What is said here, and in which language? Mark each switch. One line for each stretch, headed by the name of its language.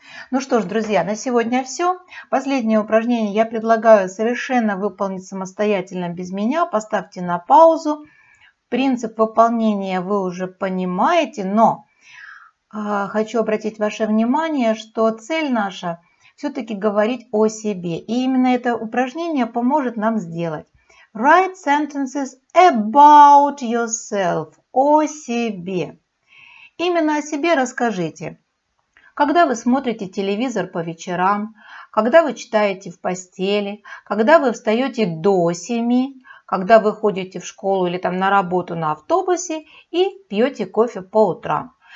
Russian: Ну что ж, друзья, на сегодня все. Последнее упражнение я предлагаю совершенно выполнить самостоятельно без меня. Поставьте на паузу. Принцип выполнения вы уже понимаете, но хочу обратить ваше внимание, что цель наша все-таки говорить о себе. И именно это упражнение поможет нам сделать.
English: Write sentences about yourself.
Russian: О себе. Именно о себе расскажите. Когда вы смотрите телевизор по вечерам, когда вы читаете в постели, когда вы встаете до 7, когда вы ходите в школу или там на работу на автобусе и пьете кофе по утрам.